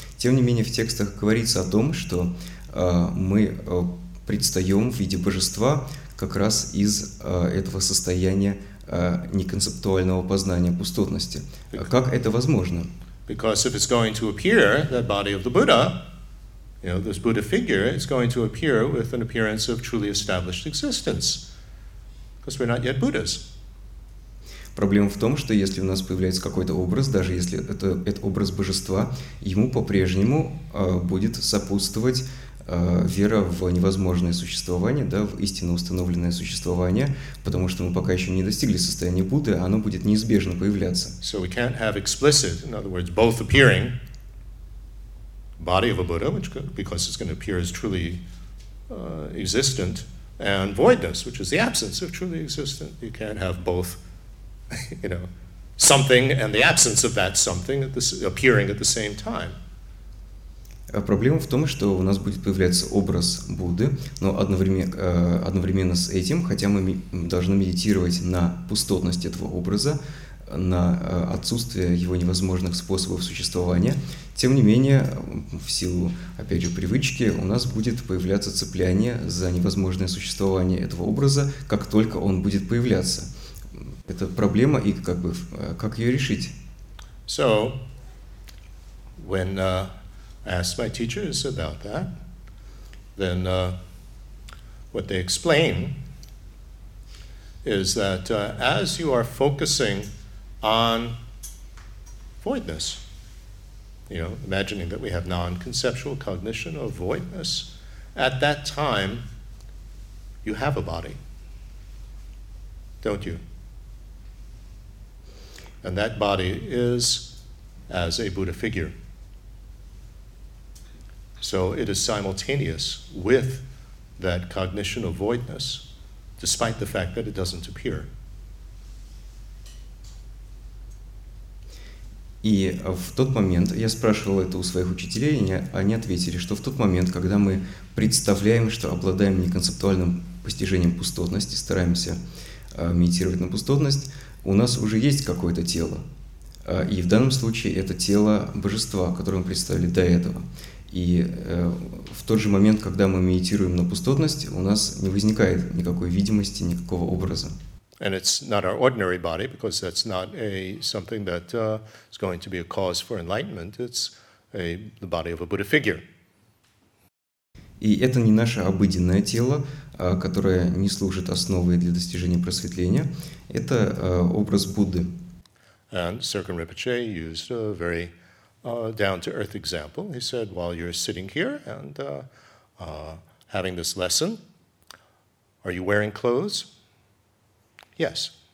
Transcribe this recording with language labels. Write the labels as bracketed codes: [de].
[ru] Тем не менее, в текстах говорится о том, что мы предстаем в виде божества как раз из этого состояния неконцептуального познания пустотности. Как это возможно? [en] Because if it's going to appear, that body of the Buddha, you know, this Buddha figure, it's going to appear with an appearance of truly established existence. Because we're not yet Buddhas. [ru] Проблема в том, что если у нас появляется какой-то образ, даже если это образ божества, ему по-прежнему будет сопутствовать вера в невозможное существование, да, в истинно установленное существование, потому что мы пока еще не достигли состояния Будды, оно будет неизбежно появляться. [en] So we can't have explicit, in other words, both appearing body of a Buddha, which because it's going to appear as truly existent, and voidness, which is the absence of truly existent. You can't have both, you know, something and the absence of that something appearing at the same time. [ru] Проблема в том, что у нас будет появляться образ Будды, но одновременно с этим, хотя мы должны медитировать на пустотность этого образа, на отсутствие его невозможных способов существования, тем не менее, в силу, опять же, привычки, у нас будет появляться цепляние за невозможное существование этого образа, как только он будет появляться. Это проблема, и как бы, как ее решить? [en] So, when I asked my teachers about that, then what they explain is that as you are focusing on voidness, you know, imagining that we have non-conceptual cognition of voidness, at that time, you have a body, don't you? And that body is as a Buddha figure. So it is simultaneous with that cognition of voidness, despite the fact that it doesn't appear. [ru] И в тот момент, я спрашивал это у своих учителей, и они ответили, что в тот момент, когда мы представляем, что обладаем неконцептуальным постижением пустотности, стараемся медитировать на пустотность, у нас уже есть какое-то тело. И в данном случае это тело божества, которое мы представили до этого. И в тот же момент, когда мы медитируем на пустотность, у нас не возникает никакой видимости, никакого образа. [en] And it's not our ordinary body, because that's not a something that is going to be a cause for enlightenment. It's a the body of a Buddha figure. [ru] И это не наше обыденное тело, которое не служит основой для достижения просветления. Это образ Будды. [en] And Sirkin Rinpoche used a very down-to-earth example. He said, while you're sitting here and having this lesson, are you wearing clothes? Yes.